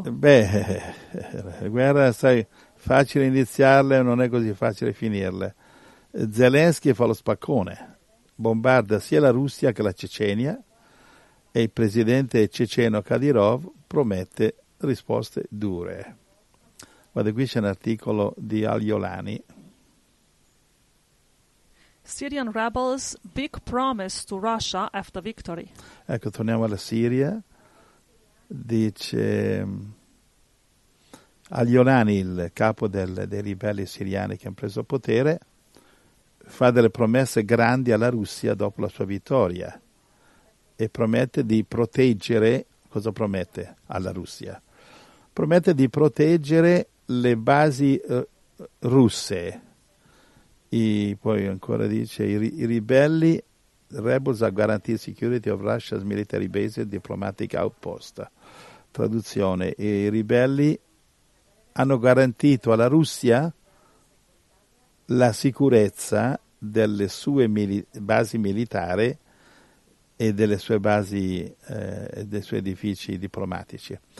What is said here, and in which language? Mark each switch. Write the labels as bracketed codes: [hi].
[it] Beh, la guerra, sai, facile iniziarle, non è così facile finirle. Zelensky fa lo spaccone, bombarda sia la Russia che la Cecenia, e il presidente ceceno Kadyrov promette risposte dure. Guarda, qui c'è un articolo di Agliolani. [en] Syrian rebels, big promise to Russia after victory. [it] Ecco, torniamo alla Siria. Dice Agliolani, il capo dei ribelli siriani che hanno preso potere, fa delle promesse grandi alla Russia dopo la sua vittoria e promette di proteggere, cosa promette alla Russia? Promette di proteggere le basi russe. Poi ancora dice, i ribelli, [en] rebels are guaranteed security of Russia's military base and diplomatic outpost. [it] Traduzione, i ribelli hanno garantito alla Russia la sicurezza delle sue basi militari e delle sue basi, dei suoi edifici diplomatici.